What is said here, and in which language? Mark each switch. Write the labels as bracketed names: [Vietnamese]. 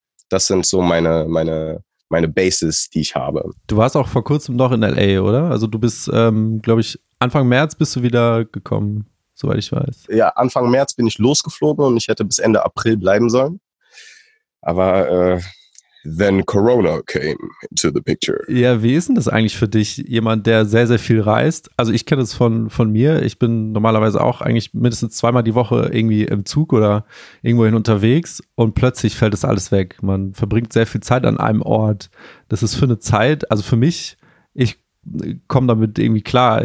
[German] Das sind so meine Bases, die ich habe. Du warst auch vor kurzem noch in L.A., oder? Also du bist, glaube ich, Anfang März bist du wieder gekommen, soweit ich weiß. Ja, Anfang März bin ich losgeflogen und ich hätte bis Ende April bleiben sollen. Aber [English] then Corona came into the picture. [German] Ja, wie ist denn das eigentlich für dich, jemand, der sehr, sehr viel reist? Also ich kenne das von mir. Ich bin normalerweise auch eigentlich mindestens zweimal die Woche irgendwie im Zug oder irgendwohin unterwegs und plötzlich fällt das alles weg. Man verbringt sehr viel Zeit an einem Ort. Das ist für eine Zeit, also für mich, ich komme damit irgendwie klar.